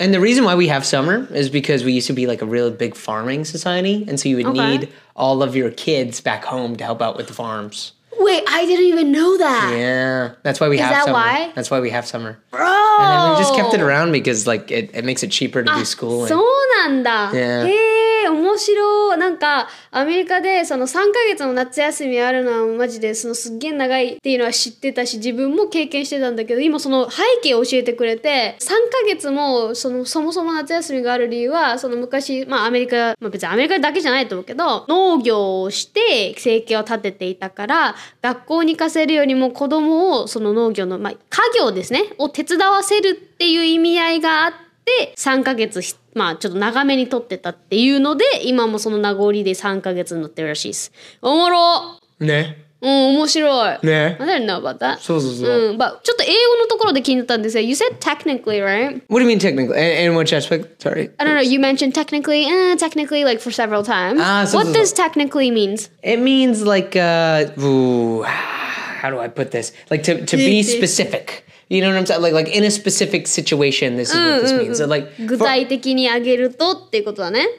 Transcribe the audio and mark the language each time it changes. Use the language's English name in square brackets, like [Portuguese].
[English] And the reason why we have summer is because we used to be like a really big farming society. And so you would need all of your kids back home to help out with the farms. Wait, I didn't even know that. Yeah, that's why we have summer. Is that why? That's why we have summer. Bro! And then we just kept it around because like it makes it cheaper to do school. [Japanese] そうなんだ。 [English] Yeah. [Japanese] Hey. 面白い。なんかアメリカでその3ヶ月の夏休みあるのはマジでそのすっげえ長いっていうのは知ってたし自分も経験してたんだけど今その背景を教えてくれて3ヶ月もそのそもそも夏休みがある理由はその昔まあアメリカ、まあ、別にアメリカだけじゃないと思うけど農業をして生計を立てていたから学校に行かせるよりも子供をその農業の、まあ、家業ですねを手伝わせるっていう意味合いがあってで3ヶ月まあちょっと長めに撮ってたっていうので今もその名残で3ヶ月になってるらしいです。おもろね。うん面白いね。 [English] I don't know about that。 [Japanese] そうそうそう。うん、ば、ちょっと英語のところで気になったんですよ。 [English] You said technically, right? What do you mean technically? In which aspect? Sorry. I don't know. You mentioned technically, technically, like for several times. What does technically mean? It means like, how do I put this? Like to be specific. You know what I'm saying? Like in a specific situation, this is what this means. So like, [Japanese] 具体的に挙げるとっていうことだね。